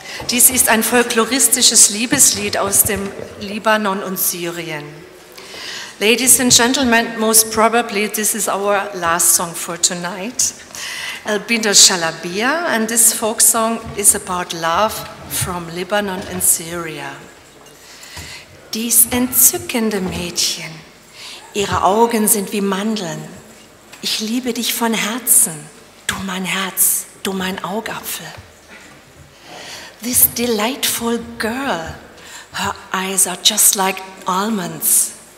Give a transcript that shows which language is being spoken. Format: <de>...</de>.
<de>Dies ist ein folkloristisches Liebeslied aus dem Libanon und Syrien.</de> <en>Ladies and gentlemen, most probably this is our last song for tonight. El Bint al-Shalabia, and this folk song is about love from Lebanon and Syria.</en> <de>Dies entzückende Mädchen, ihre Augen sind wie Mandeln. Ich liebe dich von Herzen, du mein Herz, du mein Augapfel.</de> <en>This delightful girl, her eyes are just like almonds.</en>